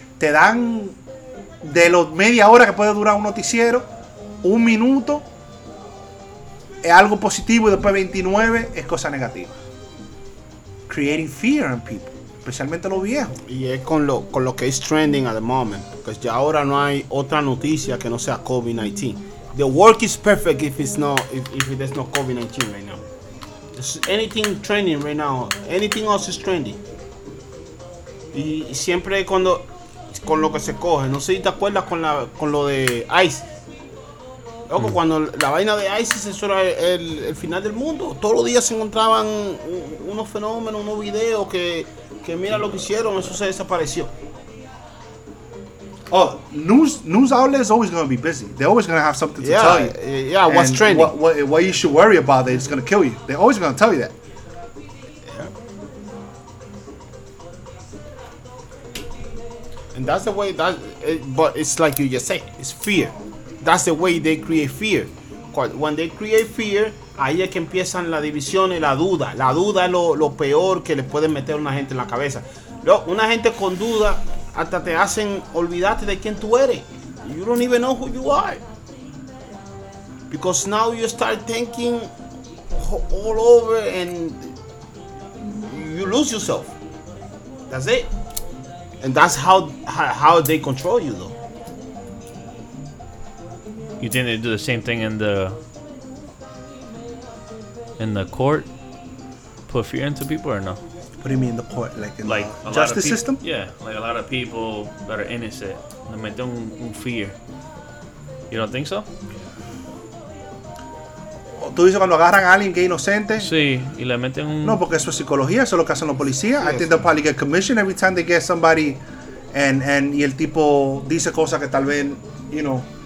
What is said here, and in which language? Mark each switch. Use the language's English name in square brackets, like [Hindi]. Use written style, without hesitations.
[Spanish] Te dan de los media hora que puede durar un noticiero, un minuto. Es algo positivo y después 29 es cosa negativa. [English] Creating fear in people, [Spanish] especialmente los viejos. Y es con lo que es [English] trending at the moment. [Spanish] Porque ya ahora no hay otra noticia que no sea COVID-19. [English] The work is perfect if there's no COVID-19 right now. Anything trending right now, anything else is trending. [Spanish] Y siempre cuando con lo que se coge, no sé si te acuerdas con lo de ICE. Loco, cuando la vaina de ISIS, eso era el final del mundo. Todos los días se encontraban unos fenómenos, unos videos que mira lo que hicieron, eso se desapareció. [English] Oh, news outlets always gonna be busy. They always gonna have something to tell you. Yeah, what's trending. What you should worry about, it's gonna kill you. They're always gonna tell you that. Yeah. And that's the way but it's like you just say, it's fear. That's the way they create fear. When they create fear, [Spanish] ahí es que empiezan las divisiones, la duda. La duda es lo peor que le pueden meter a una gente en la cabeza. Luego, una gente con duda hasta te hacen olvidarte de quién tú eres. [English] You don't even know who you are. Because now you start thinking all over and you lose yourself. That's it. And that's how they control you, though. You think they do the same thing in the court? Put fear into people or no? What do you mean the court? Like the justice system? Yeah, like a lot of people that are innocent. They might do un fear. You don't think so? [Spanish] Tú dices cuando agarran a alguien que es inocente. Sí, y le meten un... No, porque eso es psicología, eso es lo que hacen los policías. [English] Yes. I think they'll probably get commissioned every time they get somebody and [Spanish] y el tipo dice cosas que tal vez, [English] you know...